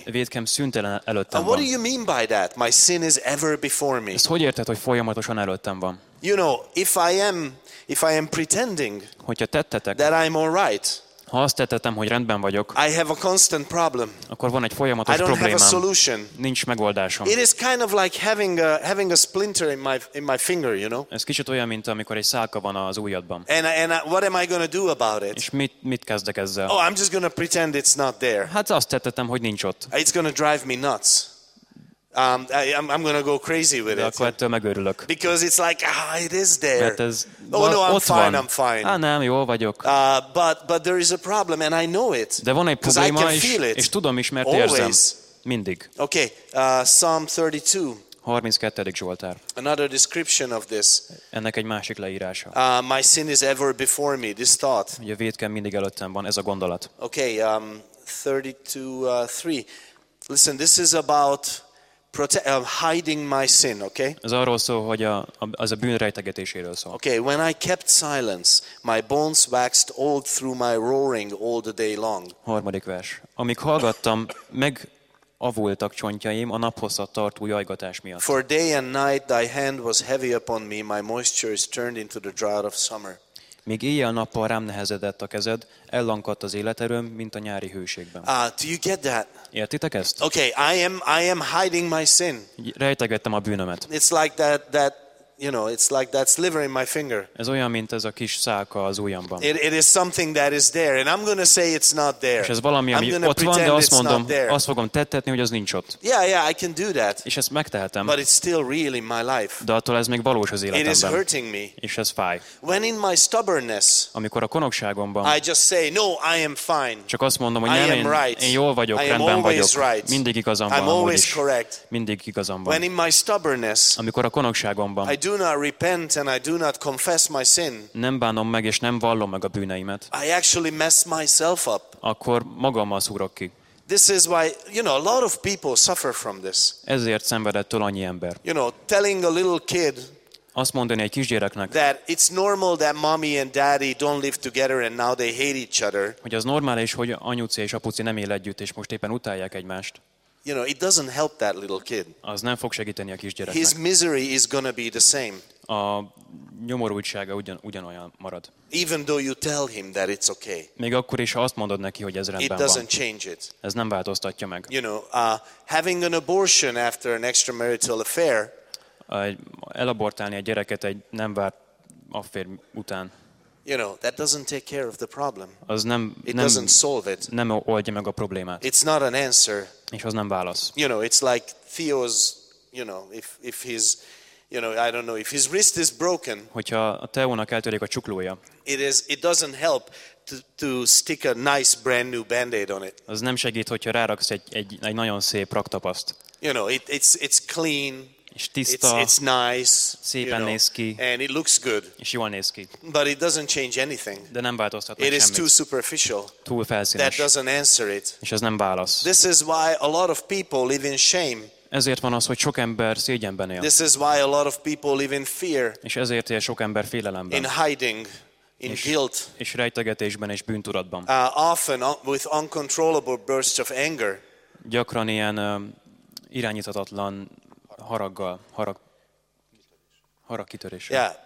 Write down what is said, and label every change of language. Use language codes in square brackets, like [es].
[hu] Vétkem szüntelen előttem van. [en] And what do you mean by that? My sin is ever before me. [hu] Ezt hogy érted, hogy folyamatosan előttem van? [en] You know, if I am pretending, [hu] hogyha tettetek, [en] that I'm all right. [hu] Ha azt tettetem, hogy rendben vagyok, [en] I have a constant problem. [hu] Akkor van egy folyamatos problémám. [en] Have a solution. [hu] Nincs megoldásom. [en] It is kind of like having a splinter in my finger, you know? [hu] Ez kicsit olyan, mint amikor egy szálka van az ujjadban. [en] And what am I going to do about it? [hu] És mit kezdek ezzel? [en] Oh, I'm just going to pretend it's not there. [hu] Hát azt tettetem, hogy nincs ott. [en] It's going to drive me nuts. I'm going to go crazy with it. [hu] Akkor ettől megőrülök. [en] Because it's like, it is there. [hu] Mert ez, [en] I'm fine. [hu] Ah, nem, jól vagyok. [en] But there is a problem and I know it. [hu] De van egy probléma, és tudom is, mert [en] always [hu] érzem. Mindig. [en] Okay, Psalm 32. [hu] 32. Zsoltár. [en] Another description of this. [hu] Ennek egy másik leírása. [en] My sin is ever before me, this thought. [hu] Ugye vétkem mindig előttem van, ez a gondolat. [en] Okay, 32:3. Listen, this is about hiding my sin, okay? [hu] Ez arról szól, hogy az a bűn rejtegetéséről szól. [en] Okay, when I kept silence, my bones waxed old through my roaring all the day long. [hu] 3. vers. Amíg hallgattam, megavultak csontjaim a naphosszat tartó jajgatás miatt. [en] For day and night thy hand was heavy upon me, my moisture is turned into the drought of summer. [hu] Míg éjjel-nappal rám nehezedett a kezed, ellankadt az életerőm, mint a nyári hőségben. [en] Do you get that? [hu] Értitek ezt? [en] Okay, I am hiding my sin. [hu] Rejtegettem a bűnömet. [en] It's like that, you know, it's like that sliver in my finger. [hu] Ez olyan, mint ez a kis szálka az ujjamban. [en] It is something that is there, and I'm going to say it's not there. [hu] És ez valami, ami ott van, de azt mondom, azt fogom tettetni, hogy az nincs ott. [en] Yeah, I can do that. [hu] És ezt megtehetem. [en] But it's still real in my life. [hu] De attól ez még valós az életemben. [en] It is hurting me. [hu] És ez fáj. [en] When in my stubbornness, [hu] amikor a konokságomban, [en] I just say, no, I am fine. [hu] Csak azt mondom, hogy nem, én jól vagyok, rendben vagyok. [en] Right. [hu] Mindig igazam van. [en] I'm always correct. [hu] Mindig igazam van. [en] When in my stubbornness, [hu] amikor a konokságomban, [en] I do not repent and I do not confess my sin. [hu] Nem bánom meg és nem vallom meg a bűneimet. [en] I actually mess myself up. [hu] Akkor magammal szúrok ki. [en] This is why, you know, a lot of people suffer from this. [hu] Ezért szenved ettől annyi ember. [en] You know, telling a little kid, [hu] azt mondani egy kisgyereknek, [en] that it's normal that mommy and daddy don't live together and now they hate each other. [hu] Hogy az normális, hogy anyuci és apuci nem él együtt és most éppen utálják egymást. [en] You know, it doesn't help that little kid. [hu] Az nem fog segíteni a kisgyereknek. [en] His misery is going to be the same. [hu] A nyomorultsága ugyanolyan marad. [en] Even though you tell him that it's okay. [hu] Még akkor is, ha azt mondod neki, hogy ez rendben van. [en] It doesn't change it. [hu] Ez nem változtatja meg. [en] You know, having an abortion after an extramarital affair. [hu] Elabortálni a gyereket egy nem várt affér után. [en] You know, that doesn't take care of the problem. [hu] Az nem, [en] it doesn't solve it. [hu] Nem oldja meg a problémát. [en] It's not an answer. [hu] És az nem válasz. [en] You know, it's like Theo's, you know, if his, you know, I don't know, if his wrist is broken. [hu] Hogyha a Teónak eltörik a csuklója. [en] It doesn't help to stick a nice brand new band-aid on it. [hu] Az nem segít, hogyha ráraksz egy nagyon szép raktapaszt. [en] You know, it's clean. [hu] És tiszta, [en] it's nice, [hu] szépen, [en] you know, [hu] néz ki, [en] and it looks good, [hu] és jól néz ki. [en] But it doesn't change anything. [hu] De nem változtat semmit. [en] It is too superficial. [hu] Túl felszínes. [en] That doesn't answer it. [hu] És ez nem válasz. [en] This is why a lot of people live in shame. [hu] Ezért van az, hogy sok ember szégyenben él. [en] This is why a lot of people live in fear. [hu] És ezért él sok ember félelemben. [en] In hiding, in guilt. [hu] És rejtegetésben és bűntudatban. [en] Often with uncontrollable bursts of anger. [hu] Gyakran ilyen irányíthatatlan haraggal, harag kitöréssel.